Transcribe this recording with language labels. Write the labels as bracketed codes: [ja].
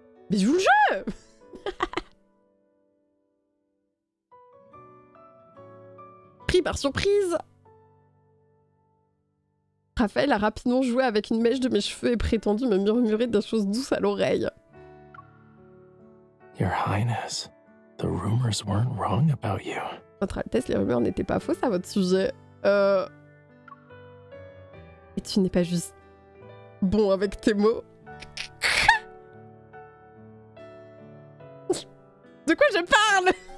[fr] Mais je joue le jeu. Pris par surprise, Raphaël a rapidement joué avec une mèche de mes cheveux et prétendu me murmurer des choses douces à l'oreille. [en] Your Highness, the rumors weren't wrong about you. [fr] Votre Altesse, les rumeurs n'étaient pas fausses à votre sujet. Et tu n'es pas juste bon avec tes mots. De quoi je parle?